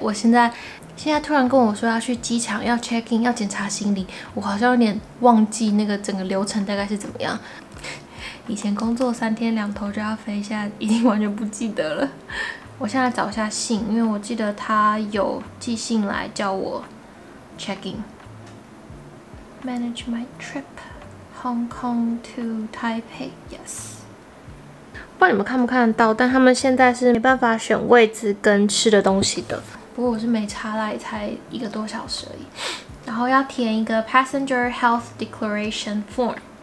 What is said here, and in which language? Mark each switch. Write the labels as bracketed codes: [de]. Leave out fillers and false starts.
[zh] 我现在突然跟我说要去机场要 check in， 要检查行李，我好像有点忘记那个整个流程大概是怎么样。以前工作3天2头就要飞，现在已经完全不记得了。我现在找一下信，因为我记得他有寄信来叫我。 [en] Checking. Manage my trip, Hong Kong to Taipei. Yes. [zh] 不知道你们看不看得到，但他们现在是没办法选位置跟吃的东西的。不过我是没差啦，才1个多小时而已。然后要填一个 Passenger Health Declaration Form.